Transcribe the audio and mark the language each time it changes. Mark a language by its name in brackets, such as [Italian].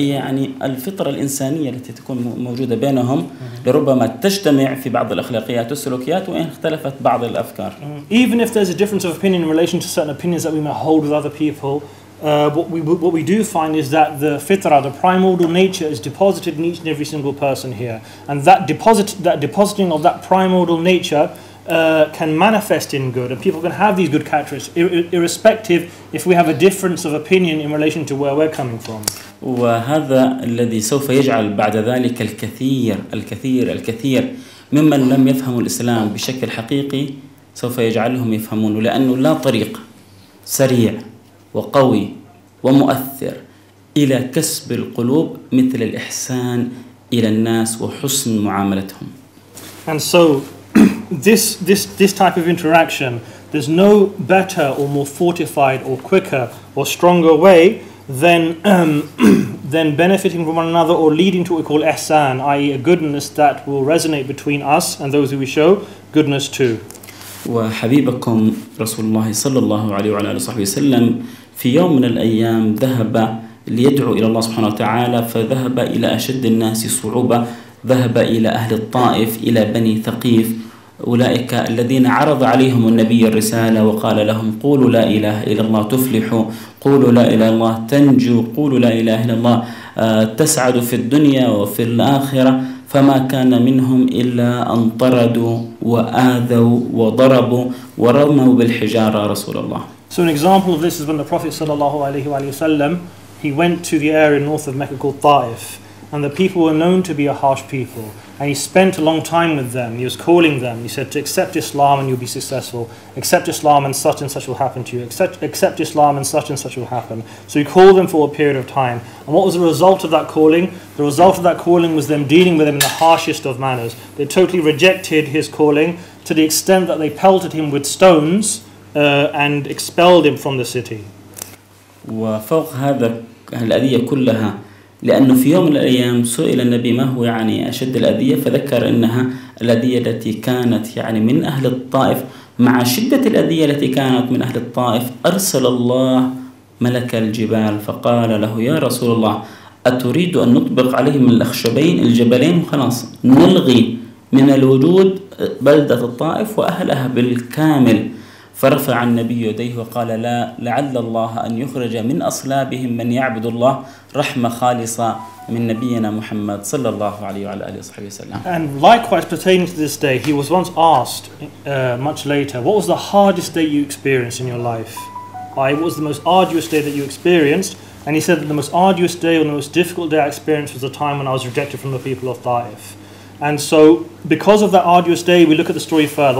[Arabic] يعني الفطرة الإنسانية التي تكون موجودة بينهم لربما تجتمع في بعض الأخلاقيات والسلوكيات وإن اختلفت بعض الأفكار. [English] Even if there's a difference of opinion in relation to certain opinions that we may hold with other people, what we do find is that the fitrah, the primordial nature, is deposited in each and every single person here, and that depositing of that primordial nature can manifest in good, and people can have these good characteristics irrespective if we have a difference of opinion in relation to where we're coming from. [Arabic] وهذا الذي سوف يجعل بعد ذلك الكثير الكثير الكثير ممن لم يفهموا الإسلام بشكل حقيقي سوف يجعلهم يفهمون لأنه لا طريق سريع وقوي ومؤثر إلى كسب القلوب مثل الإحسان إلى الناس وحسن معاملتهم. [English] And so this type of interaction, there's no better or more fortified or quicker or stronger way than benefiting from one another or leading to what we call ihsan, i.e. a goodness that will resonate between us and those who we show goodness to. [Arabic] وحبيبكم رسول الله صلى الله عليه وعلى آله وصحبه وسلم في يوم من الأيام ذهب ليدعو إلى الله سبحانه وتعالى فذهب إلى أشد الناس صعوبة ذهب إلى أهل الطائف إلى بني ثقيف أولئك الذين عرض عليهم النبي الرسالة وقال لهم قولوا لا إله إلا الله تفلحوا قولوا لا إله إلا الله تنجوا قولوا لا إله إلا الله تسعدوا في الدنيا وفي الآخرة فما كان منهم إلا أن طردوا وآذوا وضربوا ورموا بالحجارة رسول الله. [English] So an example of this is when the Prophet sallallahu alaihi wasallam, he went to the area north of Mecca called Taif, and the people were known to be a harsh people, and he spent a long time with them. He was calling them. He said, "To accept Islam and you'll be successful. Accept Islam and such will happen to you. Accept Islam and such will happen." So he called them for a period of time, and what was the result of that calling? The result of that calling was them dealing with him in the harshest of manners. They totally rejected his calling to the extent that they pelted him with stones and expelled him from the city. [Arabic] وفوق هذا الأذية كلها لأنه في يوم من الأيام سئل النبي ما هو يعني أشد الأذية فذكر أنها الأذية التي كانت يعني من أهل الطائف مع شدة الأذية التي كانت من أهل الطائف أرسل الله ملك الجبال فقال له يا رسول الله أتريد أن نطبق عليهم الأخشبين الجبلين وخلاص نلغي من الوجود بلدة الطائف وأهلها بالكامل فرفع النبي يديه وقال لا لعل الله أن يخرج من أصلابهم من يعبد الله رحمة خالصة من نبينا محمد صلى الله عليه وعلى آله وصحبه وسلم. [English] And likewise pertaining to this day, he was once asked much later, what was the hardest day you experienced in your life? What was the most arduous day that you experienced? And he said that the most arduous day or the most difficult day I experienced was the time when I was rejected from the people of Taif. And so, because of that arduous day, we look at the story further.